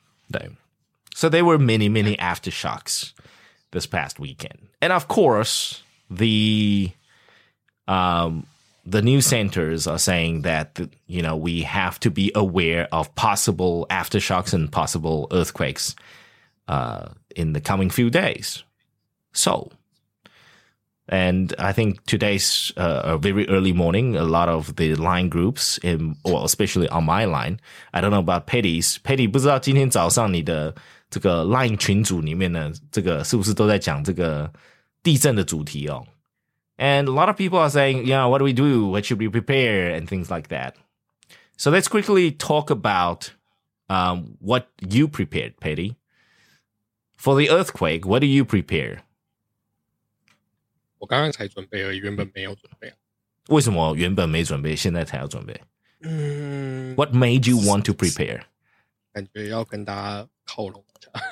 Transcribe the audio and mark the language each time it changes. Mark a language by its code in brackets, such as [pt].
[zh] 对。 [en] So there were many, many aftershocks this past weekend. And of course, the news centers are saying that, you know, we have to be aware of possible aftershocks and possible earthquakes, in the coming few days. So, and I think today's, a very early morning, a lot of the line groups in, well, especially on my line, I don't know about Petty's. [zh] Petty, 不知道今天早上你的这个 line 群组里面呢，这个是不是都在讲这个地震的主题哦。 [en] And a lot of people are saying, yeah, what do we do? What should we prepare? And things like that. So let's quickly talk about, what you prepared, Petty. For the earthquake, what do you prepare? [zh] 我刚刚才准备而已，原本没有准备。为什么原本没准备，现在才要准备？ [en] What made you want to prepare? [zh] 感觉要跟大家靠拢一下。